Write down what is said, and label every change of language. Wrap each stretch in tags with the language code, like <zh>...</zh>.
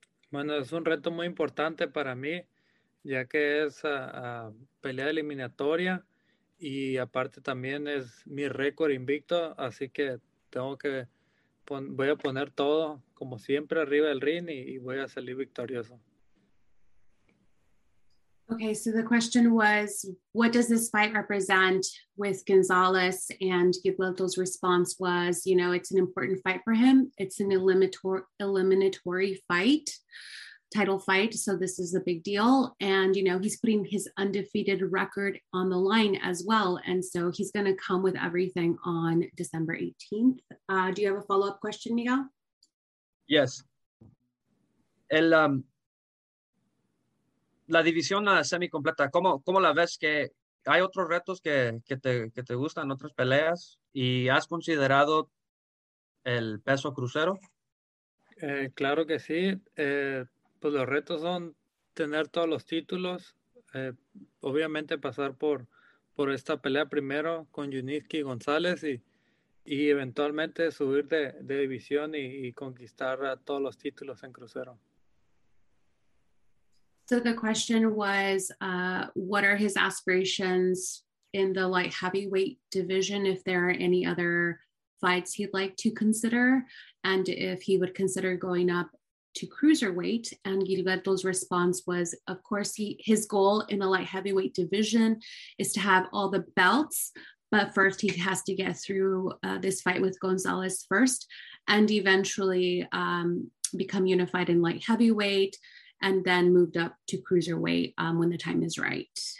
<es>Bueno, es un reto muy importante para mí, ya que es a pelea eliminatoria y aparte también es mi récord invicto, así que voy a poner todo, como siempre, arriba del ring y voy a salir victorioso.</es> <en>Okay, so the question was, what does this fight represent with Gonzalez? And Gilberto's response was, you know, it's an important fight for him. It's an eliminatory fight, title fight. So this is a big deal. And, you know, he's putting his undefeated record on the line as well. And so he's going to come with everything on December 18th. Do you have a follow-up question, Miguel? Yes.</en> <es>La división a semi-completa, ¿cómo la ves? ¿Que hay otros retos que te gustan, otras peleas? ¿Y has considerado el peso crucero? Claro que sí. Pues los retos son tener todos los títulos. Obviamente pasar por esta pelea primero con Yunisky y González y eventualmente subir de división y conquistar a todos los títulos en crucero.</es> <en>So the question was, what are his aspirations in the light heavyweight division, if there are any other fights he'd like to consider, and if he would consider going up to cruiserweight? And Gilberto's response was, of course, his goal in the light heavyweight division is to have all the belts, but first he has to get through this fight with Gonzalez first, and eventually become unified in light heavyweight, and then moved up to cruiserweight when the time is right.</en>